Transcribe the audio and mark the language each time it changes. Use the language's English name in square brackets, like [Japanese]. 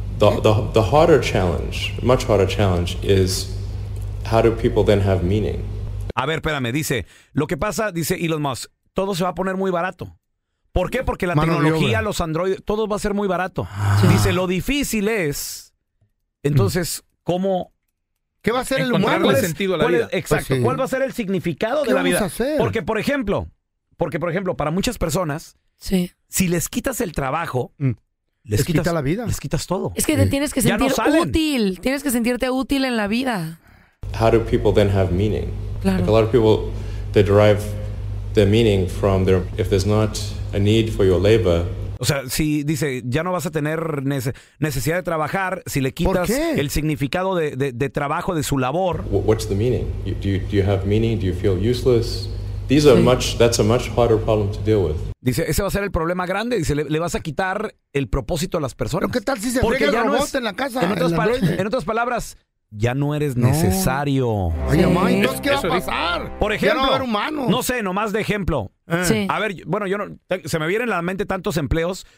[English] The harder challenge, much harder challenge, is how do people then have meaning? [Spanish] A ver, espérame, dice, lo que pasa, dice Elon Musk, todo se va a poner muy barato. ¿Por qué? Porque la tecnología, los androides, todo va a ser muy barato. Sí. Dice, lo difícil es, entonces, ¿cómo? ¿Qué va a ser el humano? ¿Cuál es, sentido a la vida? Exacto, pues sí. ¿Cuál va a ser el significado de la vida? ¿Qué vamos a hacer? Porque, por ejemplo, para muchas personas, si les quitas el trabajo... Les quita la vida. Les quitas todo. Es que te tienes que sentir útil. Tienes que sentirte útil en la vida. [English] How do people then have meaning? [Spanish] Claro. [English] Like a lot of people, they derive their meaning from their... If there's not a need for your labor... [Spanish] O sea, si dice, ya no vas a tener necesidad de trabajar, si le quitas el significado de trabajo, de su labor... [English] What's the meaning? Do you have meaning? Do you feel useless? That's a much harder problem to deal with. [Spanish] Dice, ese va a ser el problema grande. Dice, le vas a quitar el propósito a las personas. ¿Pero qué tal si se friega el robot en la casa? En otras palabras, ya no eres necesario. Ay, mamá, ¿entonces qué va a pasar? Por ejemplo, ya no va a haber humanos. No sé, nomás de ejemplo. A ver, bueno, yo no. Se me vienen a la mente tantos empleos.